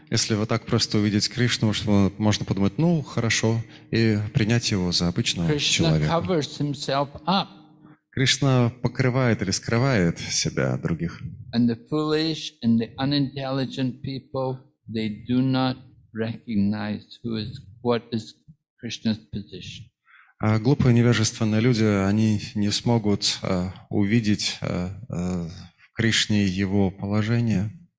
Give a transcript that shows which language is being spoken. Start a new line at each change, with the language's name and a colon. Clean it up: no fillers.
Russian: Если вот так просто увидеть Кришну, можно подумать, ну, хорошо, и принять его за обычного Krishna человека.
English: Krishna covers himself up.
Russian: Кришна покрывает или скрывает себя от других.
English: And the foolish and the unintelligent people, they do not recognize who is, what is Krishna's position.
Russian: А глупые, невежественные люди, они не смогут увидеть Кришне и его положение.